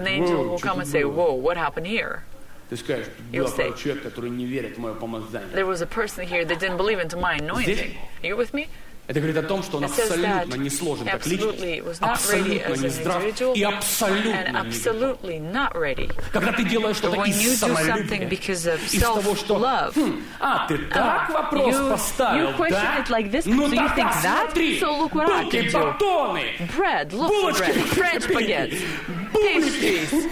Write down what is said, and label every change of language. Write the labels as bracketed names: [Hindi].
[English] and the angel will come and say, whoa, what happened here? [Russian] Ты скажешь, тут был такой человек, который не верит в мое помазание. [English] There was a person here that didn't believe into my anointing. Are you with me? [Russian] Это говорит о том, что он абсолютно не сложен как личность, абсолютно не здрав и абсолютно не готов. Когда ты делаешь что-то из самолюбия, из того, что а, ты так вопрос поставил, да? Ну так, смотри, булки, батоны, булочки,